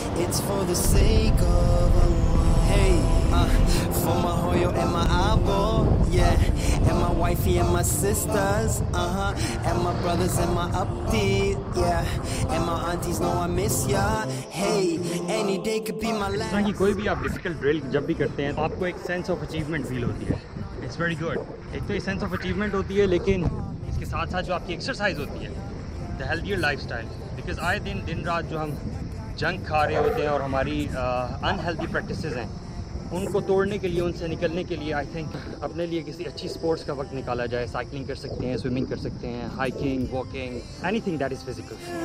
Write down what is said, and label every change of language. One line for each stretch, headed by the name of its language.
English: It's for the sake of Allah. Hey, for my hoyo and my abo, yeah, and my wifey and my sisters, and my brothers and my upti, yeah, and my aunties know I miss ya. Hey, any day could be my last. It's like
Hindi: कोई भी आप difficult drill जब भी करते हैं, आपको एक sense of achievement feel होती है.
English: It's very good.
Hindi: एक तो ये sense of achievement होती है, लेकिन इसके साथ साथ जो आपकी exercise होती है,
English: the healthier lifestyle.
Hindi: Because आए दिन दिन रात जो हम junk खा रहे होते हैं और हमारी unhealthy practices हैं, उनको तोड़ने के लिए, उनसे निकलने के लिए,
English: I think
Hindi: अपने लिए किसी अच्छी sports का वक्त निकाला जाए.
English: Cycling
Hindi: कर सकते हैं,
English: swimming कर सकते हैं, hiking, walking, anything that is physical.